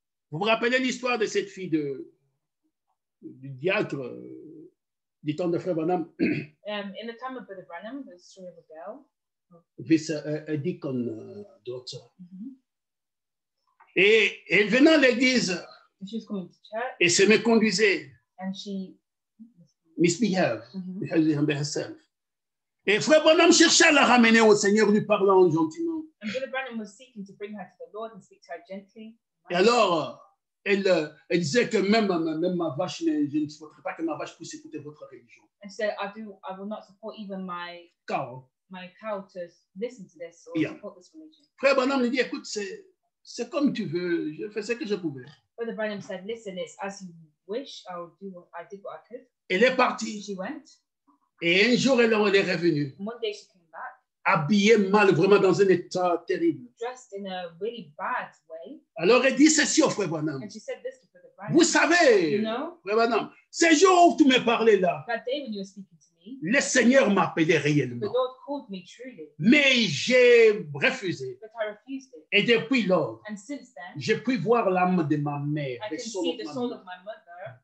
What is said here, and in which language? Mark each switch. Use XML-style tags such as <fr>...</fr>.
<fr>Vous vous rappelez l'histoire de cette fille du diacre du temps de Frère Branham?</fr> <en>In the time of Brother Branham, the story of a girl. This a deacon daughter. Mm-hmm.</en> <fr>Et elle venait à l'église.</fr> <en>She was coming to church.</en> <fr>Et se méconduisait.</fr> <en>And she misbehaved. Mm-hmm. Herself.</en> <fr>Et Frère Branham cherchait à la ramener au Seigneur, lui parlant gentiment.</fr> <en>And Brother Branham was seeking to bring her to the Lord and speak to her gently.</en> <fr>Et alors, elle disait que même ma vache, je ne supporterai pas que ma vache puisse écouter votre religion.</fr> <en>And said, I will not support even my cow. My cow to listen to this or yeah. Support this religion.</en> <fr>Frère Branham lui dit, écoute, c'est comme tu veux, je fais ce que je pouvais.</fr> <en>Brother Branham said, listen, it's as you wish, I did what I could.</en> <fr>Elle est partie.</fr> <en>She went.</en> <fr>Et un jour, elle est revenue.</fr> <en>And one day she came back.</en> <fr>Habillée mal, vraiment dans un état terrible.</fr> <en>Dressed in a really bad way.</en> <fr>Alors elle dit ceci au Frère Branham.</fr> <en>And she said this to Brother Branham.</en> <fr>Vous savez,</fr> <en>you know,</en> <fr>Frère Branham, ce jour où tu me parlais là,</fr> <en>that day when you were speaking to me,</en> <fr>le Seigneur m'a appelé réellement.</fr> <en>The Lord called me truly.</en> <fr>Mais j'ai refusé.</fr> <en>But I refused it.</en> <fr>Et depuis lors,</fr> <en>and since then,</en> <fr>j'ai pu voir l'âme de ma mère,</fr> <en>I can see the soul of my mother,</en>